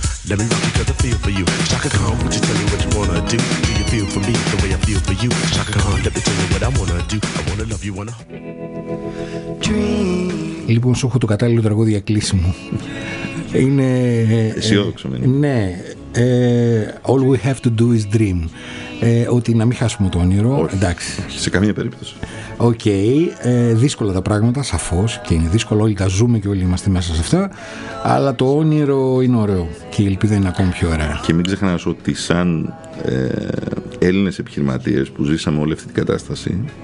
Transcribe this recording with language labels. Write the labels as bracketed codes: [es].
[en] Let me rock you 'cause I feel for you. Chaka Khan, would you tell me what you wanna do? Do you feel for me the way I feel for you? Chaka Khan, let me tell you what I wanna do. I wanna love you, wanna. Dream. [el] Λοιπόν, σου έχω το κατάλληλο τραγούδι για κλείσιμο. Είναι. Αισιόδοξο, ναι. [en] All we have to do is dream. [el] Ότι να μην χάσουμε το όνειρο. Όχι, εντάξει. Σε καμία περίπτωση. Okay, δύσκολα τα πράγματα, σαφώς, και είναι δύσκολο, όλοι τα ζούμε και όλοι είμαστε μέσα σε αυτά. Αλλά το όνειρο είναι ωραίο και η ελπίδα είναι ακόμη πιο ωραία. Και μην ξεχνάς ότι σαν Έλληνες επιχειρηματίες που ζήσαμε όλη αυτή την κατάσταση,